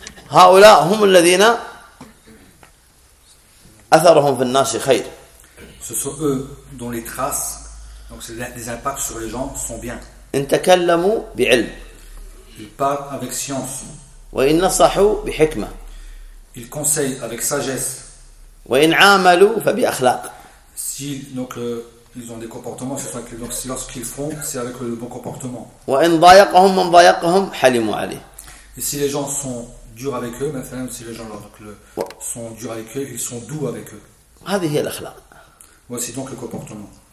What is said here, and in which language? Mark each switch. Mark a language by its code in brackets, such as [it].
[ar] هؤلاء هم الذين أثرهم في الناس خير. [fr] Ce sont eux dont les traces, donc les impacts sur les gens sont bien. [ar] إن تكلموا بعلم. [fr] Ils parlent avec science. [ar] وإن نصحوا بحكمة. [fr] Ils conseillent avec sagesse. [ar] وإن عاملوا فبأخلاق. [fr] Si donc ils ont des comportements, c'est que donc lorsqu'ils font, c'est avec le bon comportement. [ar] وإن ضايقهم من ضايقهم حلموا عليه. [fr] Et si les gens sont durs avec eux, même si les gens donc, sont durs avec eux, ils sont doux avec eux. Voici donc le comportement.